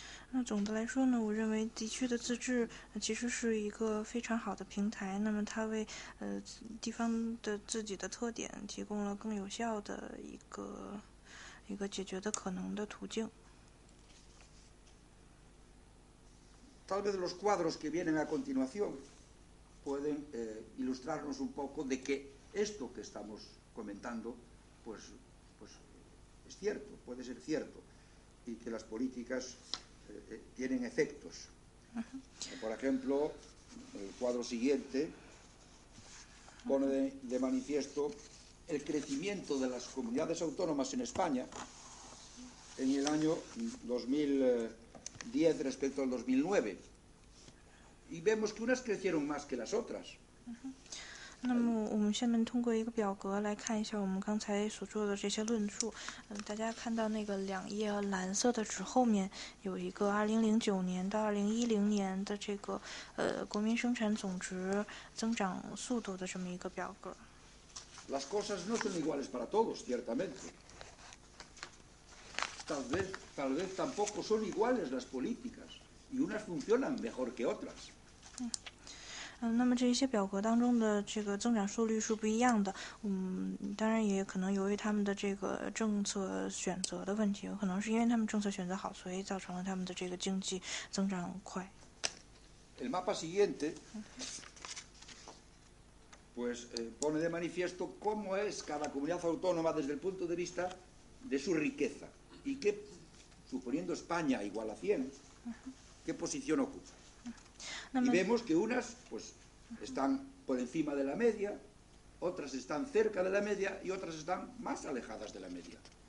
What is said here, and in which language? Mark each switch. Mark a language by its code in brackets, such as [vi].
[zh] 那总的来说呢，我认为地区的自治其实是一个非常好的平台。那么它为地方的自己的特点提供了更有效的一个解决的可能的途径。 [es] Tal vez los cuadros que vienen a continuación pueden ilustrarnos un poco de que esto que estamos comentando. Pues es cierto, puede ser cierto, y que las políticas tienen efectos. Por ejemplo, el cuadro siguiente pone de manifiesto el crecimiento de las comunidades autónomas en España en el año 2010 respecto al 2009. Y vemos que unas crecieron más que las otras. Uh-huh. [zh] 那么我们下面通过一个表格来看一下我们刚才所做的这些论述。大家看到那个两页蓝色的纸后面有一个2009年到2010年的这个国民生产总值增长速度的这么一个表格。 [es] Las cosas no son iguales para todos, ciertamente. Tal vez tampoco son iguales las políticas, y unas funcionan mejor que otras. [zh] 那么这些表格当中的这个增长速率是不一样的，当然也可能由于他们的这个政策选择的问题，可能是因为他们政策选择好，所以造成了他们的这个经济增长快。 [es] El mapa siguiente, pues pone de manifiesto cómo es cada comunidad autónoma desde el punto de vista de su riqueza y que, suponiendo España igual a 100, qué posición ocupan. Y vemos que unas pues están por encima de la media, otras están cerca de la media y otras están más alejadas de la media.